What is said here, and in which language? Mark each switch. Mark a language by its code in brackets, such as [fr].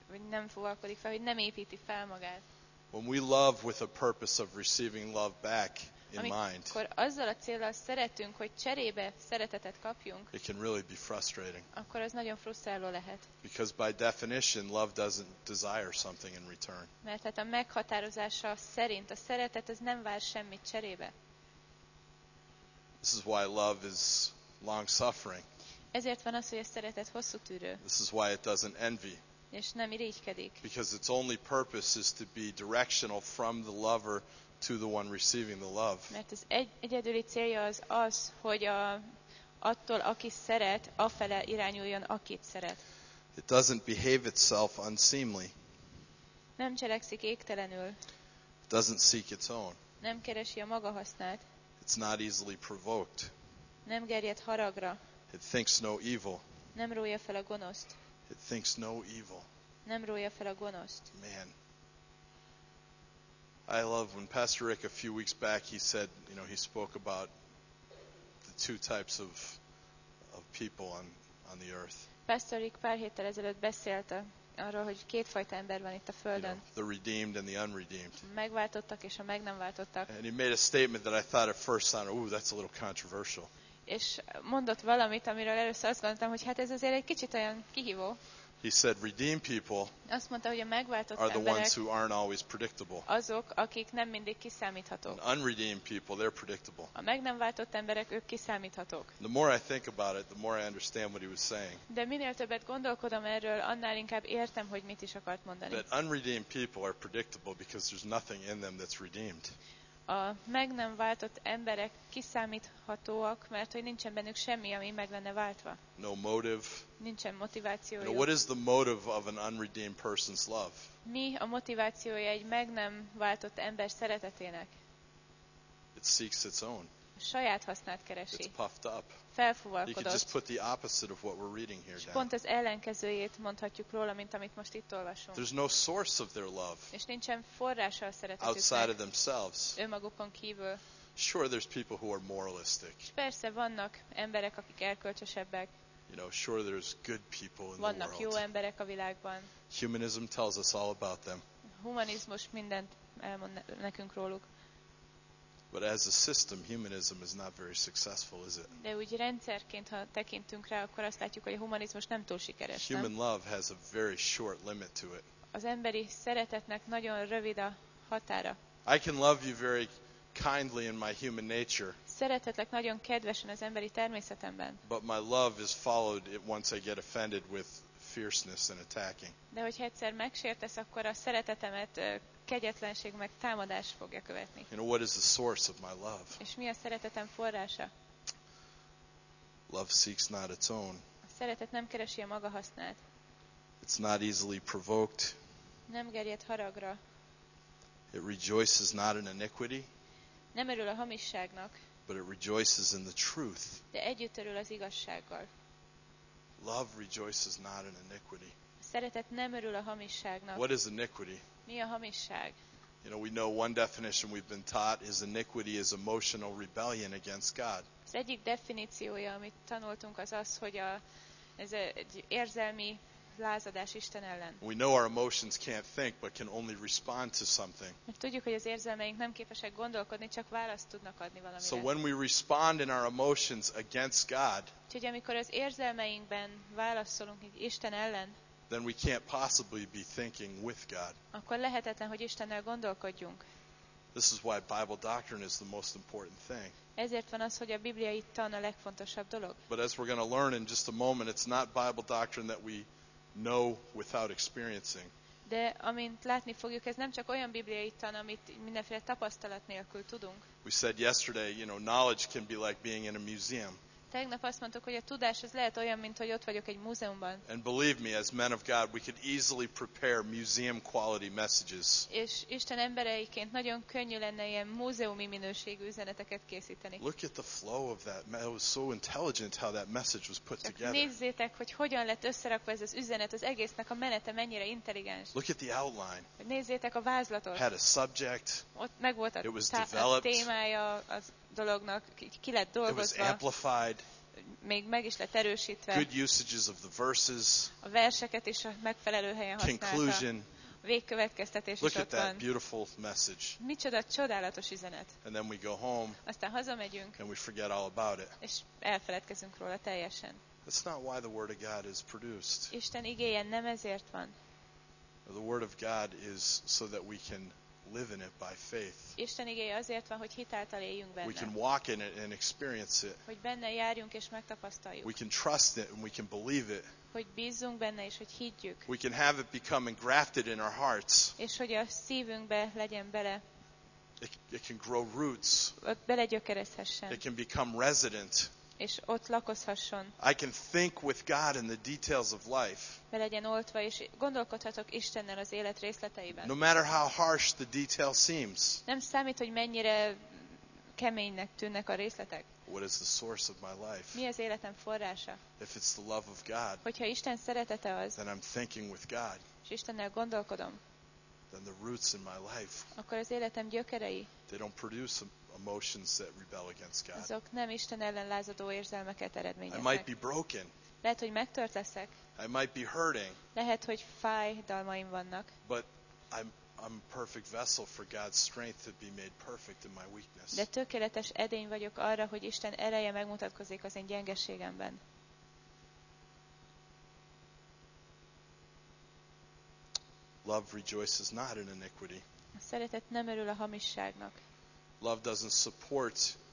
[hu] Nem fogalkodik fel, hogy nem építi fel magát. [en] When we love with a purpose of receiving love back in mind, [hu] amikor azzal a céllal szeretünk, hogy cserébe szeretetet kapjunk, [en] it can really be frustrating. [hu] Akkor az nagyon frusztráló lehet. [en] Because by definition, love doesn't desire something in return. [hu] Mert hát a meghatározása szerint a szeretet az nem vár semmit cserébe. [en] This is why love is long-suffering. [hu] Ezért van az, hogy a szeretet hosszú tűrő. [en] This is why it doesn't envy. [hu] És nem irigykedik. [en] Because its only purpose is to be directional from the lover to the one receiving the love. [hu] Mert az egyedüli célja az az, hogy attól, aki szeret, afele irányuljon, akit szeret. [en] It doesn't behave itself unseemly. [hu] Nem cselekszik égtelenül. [en] It doesn't seek its own. [hu] Nem keresi a maga hasznát. [en] It's not easily provoked. [hu] Nem gerjed haragra. [en] It thinks no evil. [hu] Nem rója fel a gonoszt. [en] It thinks no evil. [hu] Nem rója fel a gonoszt. [en] Man. I love when Pastor Rick a few weeks back he said, you know, he spoke about the two types of people on the earth. [hu] Pastor Rick pár héttel ezelőtt beszélte arról, hogy kétfajta ember van itt a földön. [en] You know, the redeemed and the unredeemed. [hu] Megváltottak és a meg nem váltottak. [en] And he made a statement that I thought at first sounded, ooh, that's a little controversial. [hu] És mondott valamit, amiről először azt gondoltam, hogy hát ez azért egy kicsit olyan kihívó. [en] He said redeemed people [hu] azt mondta, hogy a megváltott [en] are the ones who aren't always predictable. [hu] Azok, akik nem mindig kiszámíthatók. [en] And unredeemed people, they're predictable. [hu] A meg nem váltott emberek, ők kiszámíthatók. [en] The more I think about it, the more I understand what he was saying. [hu] De minél többet gondolkodom erről, annál inkább értem, hogy mit is akart mondani. [en] That unredeemed people are predictable because there's nothing in them that's redeemed. [hu] A meg nem váltott emberek kiszámíthatóak, mert hogy nincsen bennük semmi, ami meg lenne váltva. [en] No motive. [hu] Nincsen motivációjuk. [en] You know, what is the motive of an unredeemed person's love? [hu] Mi a motivációja egy meg nem váltott ember szeretetének? [en] It seeks its own. [hu] Saját hasznát keresi. [en] It's puffed up. [hu] Felfúvalkodott. [en] You can just put the opposite of what we're reading here. [hu] Pont az ellenkezőjét mondhatjuk róla, mint amit most itt olvasunk. [en] There's no source of their love. [hu] És nincsen forrása a szeretetüknek. [en] Outside of themselves. [hu] Önmagukon kívül. [en] Sure, there's people who are moralistic. [hu] És persze vannak emberek, akik erkölcsösebbek. [en] You know, sure, there's good people in [hu] vannak [en] the world. [hu] Jó emberek a világban. [en] Humanism tells us all about them. [hu] Humanizmus mindent elmond nekünk róluk. [en] But as a system, humanism is not very successful, is it? [hu] De úgy rendszerként, ha tekintünk rá, akkor azt látjuk, hogy a humanizmus nem túl sikeres. [en] Human love has a very short limit to it. [hu] Az emberi szeretetnek nagyon rövid a határa. [en] I can love you very kindly in my human nature. [hu] Szeretetlek nagyon kedvesen az emberi természetemben. [en] But my love is followed once I get offended with fierceness and attacking. [hu] De hogyha egyszer megsértesz, akkor a szeretetemet kegyetlenség meg támadás fogja követni. [en] You know, what is the source of my love? [hu] És mi a szeretetem forrása? [en] Love seeks not its own. [hu] A szeretet nem keresi a maga hasznát. [en] It's not easily provoked. [hu] Nem gerjed haragra. [en] It rejoices not in iniquity. [hu] Nem örül a hamisságnak. [en] But it rejoices in the truth. [hu] De együtt örül az igazsággal. [en] Love rejoices not in iniquity. [hu] A szeretet nem örül a hamisságnak. [en] What is iniquity? [hu] Mi a hamisság? [en] You know, we know one definition we've been taught is iniquity is emotional rebellion against God. [hu] Az egyik definíciója, amit tanultunk, az az, hogy ez egy érzelmi lázadás Isten ellen. [en] We know our emotions can't think, but can only respond to something. [hu] Mert tudjuk, hogy az érzelmeink nem képesek gondolkodni, csak választ tudnak adni valamire. [en] So when we respond in our emotions against God, [hu] úgyhogy amikor az érzelmeinkben válaszolunk Isten ellen, [en] then we can't possibly be thinking with God. [hu] Akkor lehetetlen, hogy Istennel gondolkodjunk. [en] This is why Bible doctrine is the most important thing. [hu] Ezért van az, hogy a bibliai tan a legfontosabb dolog. [en] But as we're going to learn in just a moment, it's not Bible doctrine that we know without experiencing. [hu] De amint látni fogjuk, ez nem csak olyan bibliai tan, amit mindenféle tapasztalat nélkül tudunk. [en] We said yesterday, you know, knowledge can be like being in a museum. [hu] Tegnap azt mondtuk, hogy a tudás az lehet olyan, mint hogy ott vagyok egy múzeumban. [en] And believe me, as men of God, we could easily prepare museum quality messages. [hu] És Isten embereiként nagyon könnyű lenne ilyen múzeumi minőségű üzeneteket készíteni. [en] Look at the flow of that. It was so intelligent how that message was put together. [hu] Nézzétek, hogy hogyan lett összerakva ez az üzenet, az egésznek a menete mennyire intelligens. [en] Look at the outline. [hu] Nézzétek a vázlatot. [en] Had a subject. [hu] Ott meg volt a témája az dolognak, ki lett dolgozva. Még meg is lett erősítve. [en] Good usages of the verses. [hu] A verseket is a megfelelő helyen használta. [en] Conclusion. [hu] Végkövetkeztetés is ott [en] Look at that beautiful message. [hu] Micsoda csodálatos üzenet. [en] And then we go home. [hu] Aztán hazamegyünk. [en] And we forget all about it. [hu] És elfeledkezünk róla teljesen. [en] That's not why the word of God is produced. [hu] Isten igéje nem ezért van. [en] The word of God is so that we can live in it by faith. [hu] Isten igéje azért van, hogy hitáltal éljünk benne. [en] We can walk in it and experience it. [hu] Hogy benne járjunk és megtapasztaljuk. [en] We can trust it and we can believe it. [hu] Hogy bízzunk benne és hogy higgyük. [en] We can have it become engrafted in our hearts. [hu] És hogy a szívünkbe legyen bele. [en] It can grow roots. [hu] Ott belegyökereshessen. [en] It can become resident. [hu] És ott lakozhasson. [en] I can think with God in the details of life. [hu] Be legyen oltva, és gondolkodhatok Istennel az élet részleteiben. [en] No matter how harsh the detail seems. [hu] Nem számít, hogy mennyire keménynek tűnnek a részletek? [en] What is the source of my life? [hu] Mi az életem forrása? [en] If it's the love of God, [hu] hogyha Isten szeretete az, [en] then I'm thinking with God, [hu] és Istennel gondolkodom, [en] then the roots in my life, [hu] akkor az életem gyökerei, [en] they don't produce emotions that rebel against God. [hu] Azok nem Isten ellen lázadó érzelmeket eredményeznek. [en] I might be broken. [hu] Lehet, hogy megtört leszek. [en] I might be hurting. [hu] Lehet, hogy fájdalmaim vannak. [en] But I'm a perfect vessel for God's strength to be made perfect in my weakness. [hu] De tökéletes edény vagyok arra, hogy Isten ereje megmutatkozik az én gyengeségemben. [en] Love rejoices not in iniquity. [hu] A szeretet nem örül a hamisságnak. [en] Love doesn't support,